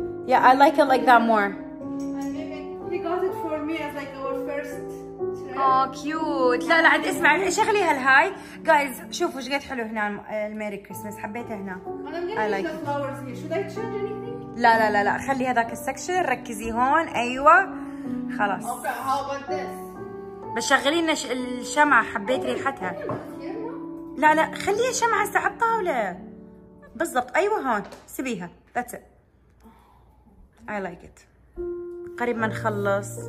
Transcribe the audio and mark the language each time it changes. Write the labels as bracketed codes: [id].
[en] Yeah, I like it like that more. And maybe they got it for me as like our first. [ar] اه كيوت. لا لا عاد اسمع ايش اخليها لهاي. جايز شوفوا ايش قد حلو هنا الميري كريسمس. حبيتها هنا. [en] I'm getting like the flowers here. Should I change anything? [ar] لا لا لا لا خلي هذاك السكشن. ركزي هون. ايوه خلاص. بشغلي لنا الشمعة. حبيت ريحتها. لا لا خليها شمعة على الطاولة بالضبط. ايوه هون سيبيها. [en] That's it. I like it. [ar] قريب ما نخلص.